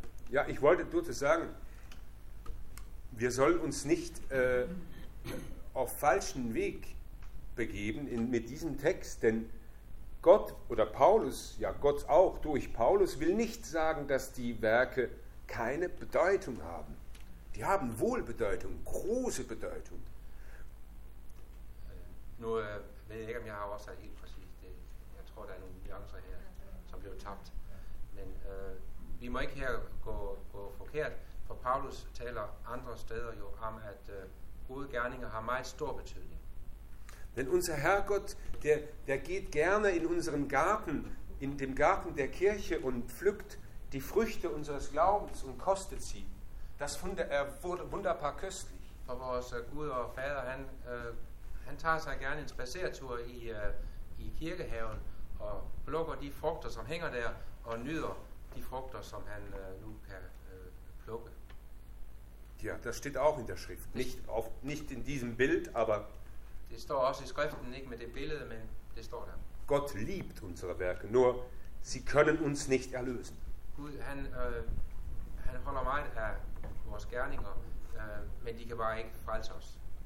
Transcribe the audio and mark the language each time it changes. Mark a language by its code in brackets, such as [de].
[de] Ja, ich wollte nur sagen, wir sollen uns nicht auf falschen Weg begeben mit diesem Text, denn Gott oder Paulus, ja Gott auch durch Paulus, will nicht sagen, dass die Werke keine Bedeutung haben. Die haben wohl Bedeutung, große Bedeutung. [da] Nu ved jeg ikke, om jeg har oversat helt præcis det. Jeg tror, der er nogle nuancer her, som blev tabt. Men vi må ikke her gå forkert, for Paulus taler andre steder jo om, at gode gerninger har meget stor betydning. [de] Men unser Herrgott, der geht gerne in unseren Garten, in dem Garten der Kirche und pflückt die Früchte unseres Glaubens und kostet sie. Das wurde wunderbar köstlich. [da] For vores Gud og Fader, han tager sig gerne en spacertur i kirkehaven og plukker de frugter, som hænger der, og nyder de frugter, som han nu kan plukke. [de] Ja, das steht auch in der Schrift. Nicht in diesem Bild, aber [da] det står også i skriften, ikke med det billede, men det står der. [de] Gott liebt unsere Werke, nur sie können uns nicht erlösen. [da] Gud, han holder meget af vores gerninger, men de kan bare ikke frelse os.